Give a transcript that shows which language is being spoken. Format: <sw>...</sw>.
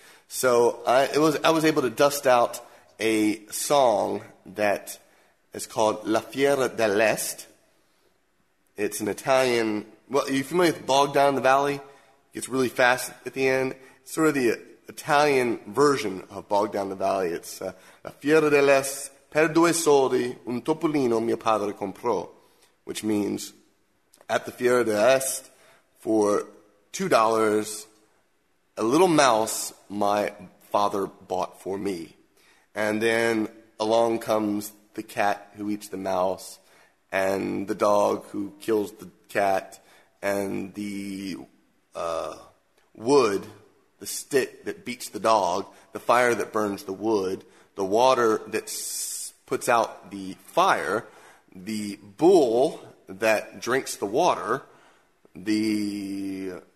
<en>So I was able to dust out a song that is called La Fiera dell'Est. It's an Italian... Well, are you familiar with Bogdan in the Valley? It gets really fast at the end. It's sort of the Italian version of Bogdan in the Valley. It's</en> <it>La Fiera dell'Est, per due soldi, un topolino mio padre comprò.</it> <en>Which means, at the Fiera dell'Est, for $2, a little mouse my father bought for me. And then along comes the cat who eats the mouse, and the dog who kills the cat, and the wood, the stick that beats the dog, the fire that burns the wood, the water that puts out the fire, the bull that drinks the water, the</en>